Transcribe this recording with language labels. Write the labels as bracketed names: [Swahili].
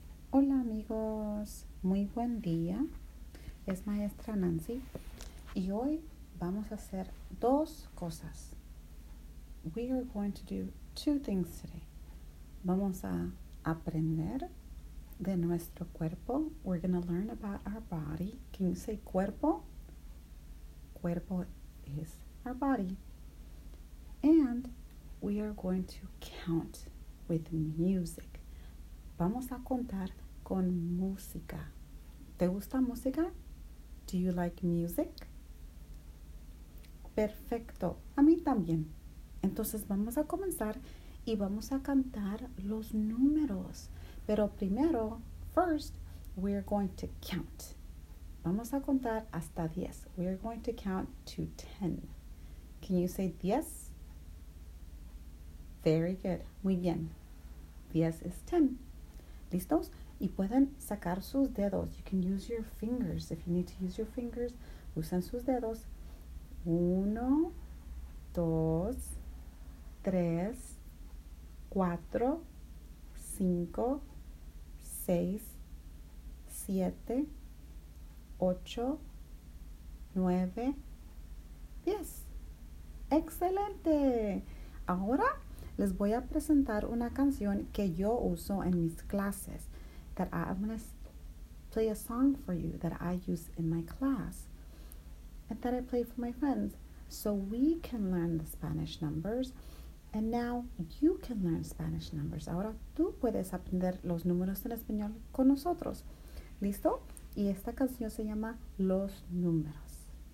[Spanish] Hola amigos, muy buen día. Es maestra Nancy y hoy vamos a hacer dos cosas. [English] We are going to do two things today. [Spanish] Vamos a aprender de nuestro cuerpo. [English] We're going to learn about our body. Can you say cuerpo? Cuerpo is our body. And we are going to count with music. [Spanish] Vamos a contar con música. ¿Te gusta música? [English] Do you like music? [Spanish] Perfecto. A mí también. Entonces vamos a comenzar y vamos a cantar los números. Pero primero, [English] first, we're going to count. [Spanish] Vamos a contar hasta 10. [English] We're going to count to 10. Can you say 10? Very good. [Spanish] Muy bien. [English] 10 is 10. [Spanish] ¿Listos? Y pueden sacar sus dedos. [English] You can use your fingers. If you need to use your fingers, [Spanish] usen sus dedos. Uno, dos, tres, cuatro, cinco, seis, siete, ocho, nueve, diez. ¡Excelente! Ahora les voy a presentar una canción que yo uso en mis clases. [English] That I'm going to play a song for you that I use in my class and that I play for my friends so we can learn the Spanish numbers and now you can learn Spanish numbers. [Spanish] Ahora tú puedes aprender los números en español con nosotros. ¿Listo? Y esta canción se llama Los Números.